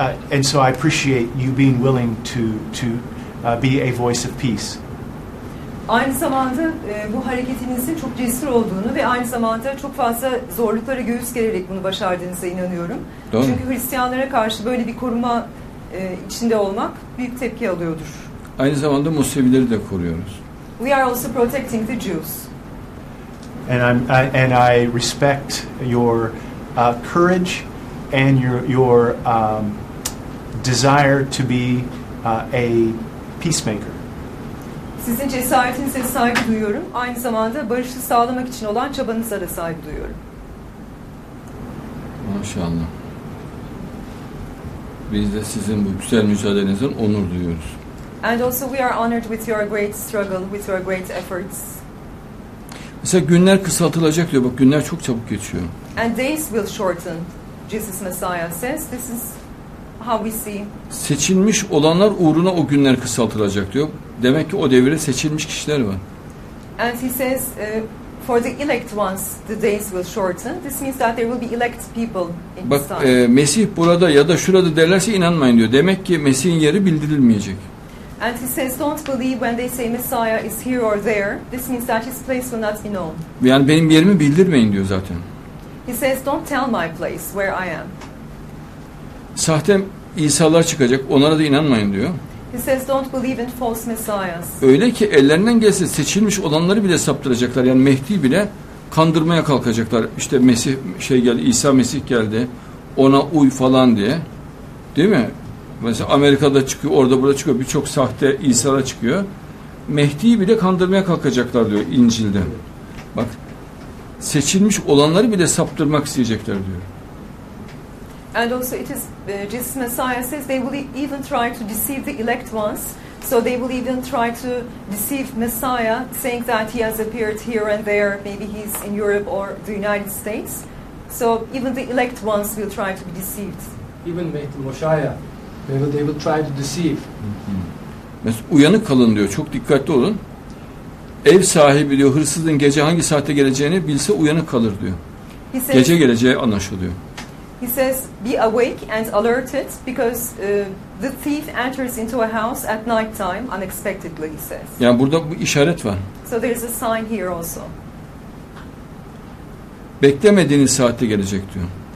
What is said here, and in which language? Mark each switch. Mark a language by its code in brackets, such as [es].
[en] And so I appreciate you being willing to be a voice of peace. [tr] Aynı zamanda bu hareketinizin çok cesur olduğunu ve aynı zamanda çok fazla zorluklara göğüs gererek bunu başardığınıza inanıyorum. Doğru. Çünkü Hristiyanlara karşı böyle bir koruma içinde olmak büyük tepki alıyordur. Aynı zamanda Musevileri de koruyoruz. [en] We are also protecting the Jews. And I respect your courage and your desire to be a peacemaker. [tr] Sizin cesaretinize saygı duyuyorum. Aynı zamanda barışı sağlamak için olan çabanıza da saygı duyuyorum. Maşallah. Biz de sizin bu güzel mücadelenizden onur duyuyoruz. [en] And also we are honored with your great struggle, with your great efforts. [tr] Mesela günler kısaltılacak diyor. Bak günler çok çabuk geçiyor. [en] And days will shorten, Jesus Messiah says. This is how we see. [tr] Seçilmiş olanlar uğruna o günler kısaltılacak diyor. Demek ki o devire seçilmiş kişiler var. [en] And he says, for the elect ones, the days will shorten. This means that there will be elect people in [tr] Bak, Mesih burada ya da şurada derlerse inanmayın diyor. Demek ki Mesih'in yeri bildirilmeyecek. [en] And he says, don't believe when they say Messiah is here or there. This means that his place will not be known. [tr] Yani benim yerimi bildirmeyin diyor zaten. [en] He says, don't tell my place where I am. [tr] Sahte İsa'lar çıkacak, onlara da inanmayın diyor. [en] He says, don't believe in false messiahs. [tr] Öyle ki ellerinden gelse seçilmiş olanları bile saptıracaklar. Yani Mehdi bile kandırmaya kalkacaklar. İşte Mesih şey geldi, İsa Mesih geldi. Ona uy falan diye. Değil mi? Mesela Amerika'da çıkıyor, orada burada çıkıyor. Birçok sahte İsa'lar çıkıyor. Mehdi'yi bile kandırmaya kalkacaklar diyor İncil'de. Bak, seçilmiş olanları bile saptırmak isteyecekler diyor. [en] And also it is Jesus Messiah says they will even try to deceive the elect ones, so they will even try to deceive Messiah saying that he has appeared here and there, maybe he's in Europe or the United States, so even the elect ones will try to be deceived, even Mehdi Moshiach, they will try to deceive. [tr] Mesela uyanık kalın diyor, çok dikkatli olun, ev sahibi diyor hırsızın gece hangi saatte geleceğini bilse uyanık kalır diyor. [en] Says, [tr] gece geleceği anlaşılıyor. [en] He says, be awake and alerted because the thief enters into a house at night time unexpectedly, he says. [tr] Yani burada bu işaret var. [en] So there's a sign here also. [tr] Beklemediğiniz saatte gelecek diyor.